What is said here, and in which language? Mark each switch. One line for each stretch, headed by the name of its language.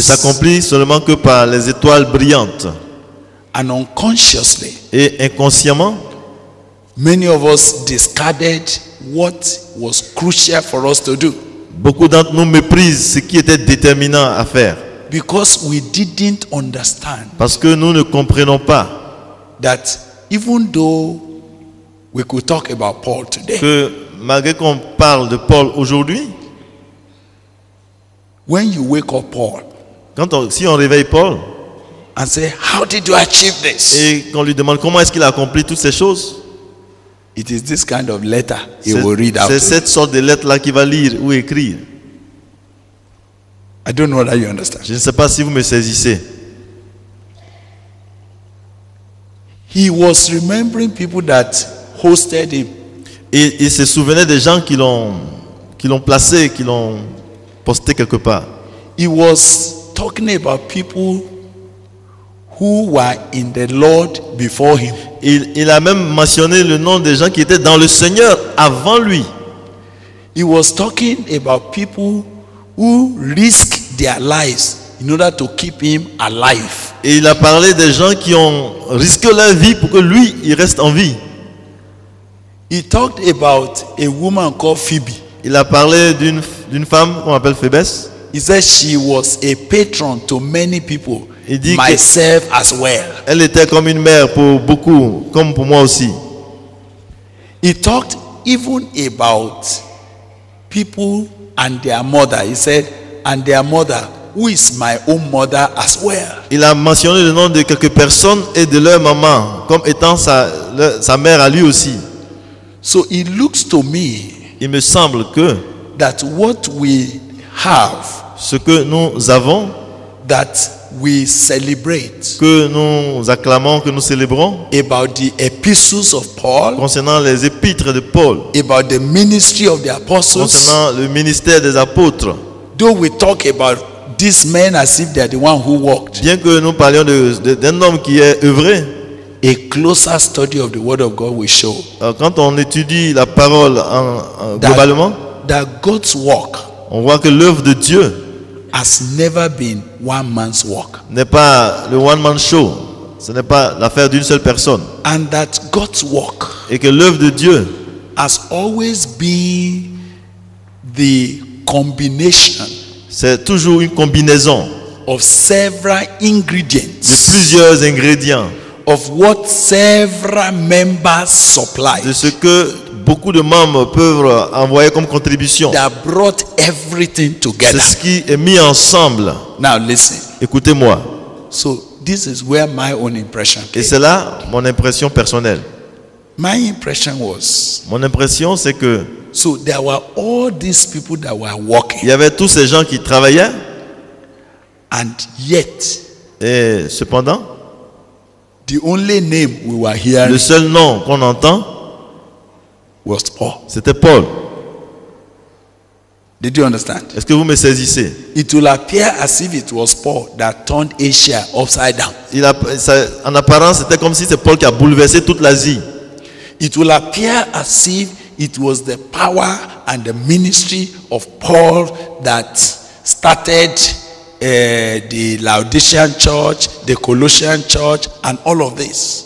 French: Ne s'accomplit seulement que par les étoiles brillantes.
English: And unconsciously,
French: et inconsciemment,
English: many of us discarded what was crucial for us to do.
French: Beaucoup d'entre nous méprisent ce qui était déterminant à faire.
English: Because we didn't understand.
French: Parce que nous ne comprenons pas.
English: That even though we could talk about Paul today.
French: Que malgré qu'on parle de Paul aujourd'hui,
English: when you wake up Paul,
French: si on réveille Paul,
English: and say, how did you achieve this?
French: Et qu'on lui demande comment est-ce qu'il a accompli toutes ces choses,
English: it is this kind of letter he will read out.
French: C'est cette sorte de lettre là qu'il va lire ou écrire.
English: I don't know that you understand.
French: Je ne sais pas si vous me saisissez.
English: He was remembering people that hosted him.
French: Et il se souvenait des gens qui l'ont placé, qui l'ont posté quelque part.
English: He was talking about people who were in the Lord before him.
French: Il a même mentionné le nom des gens qui étaient dans le Seigneur avant lui.
English: He was talking about people who risked their lives in order to keep him alive.
French: Et il a parlé des gens qui ont risqué leur vie pour que lui il reste en vie.
English: He talked about a woman called Phoebe.
French: Il a parlé d'une femme qu'on appelle Phébès.
English: He said she was a patron to many people.
French: Il dit
English: myself as well.
French: Elle était comme une mère pour beaucoup, comme pour moi aussi.
English: He talked even about people and their mother. He said, and their mother, who is my own mother as well.
French: Il a mentionné le nom de quelques personnes et de leur maman comme étant sa mère à lui aussi.
English: So it looks to me,
French: il me semble que
English: that what we have,
French: ce que nous avons,
English: that we celebrate,
French: que nous acclamons, que nous célébrons,
English: about the epistles of Paul,
French: concernant les épîtres de Paul,
English: about the ministry of the apostles,
French: concernant le ministère des apôtres,
English: though we talk about these men as if they are the one who walked,
French: bien que nous parlions d'un homme qui est œuvré.
English: A closer study of the word of God will show.
French: Quand on étudie la parole globalement,
English: that God's work,
French: on voit que l'œuvre de Dieu,
English: has never been one man's work.
French: N'est pas le one man show. Ce n'est pas l'affaire d'une seule personne.
English: And that God's work,
French: et que l'œuvre de Dieu,
English: has always been the combination.
French: C'est toujours une combinaison
English: of several ingredients.
French: De plusieurs ingrédients.
English: Of what several members supply.
French: De ce que beaucoup de membres peuvent envoyer comme contribution.
English: That brought everything together.
French: C'est ce qui est mis ensemble.
English: Now listen.
French: Écoutez-moi.
English: So this is where my own impression came.
French: Et c'est là mon impression personnelle.
English: My impression was,
French: mon impression c'est que,
English: so there were all these people that were working.
French: Il y avait tous ces gens qui travaillaient.
English: And yet,
French: et cependant,
English: the only name we were hearing,
French: le seul nom qu'on entend,
English: was Paul.
French: C'était Paul.
English: Did you understand?
French: Est-ce que vous me saisissez?
English: It will appear as if it was Paul that turned Asia upside down.
French: Il a, ça, en apparence, c'était comme si c'est Paul qui a bouleversé toute l'Asie.
English: It will appear as if it was the power and the ministry of Paul that started the Laodicean church, the Colossian church, and all of this.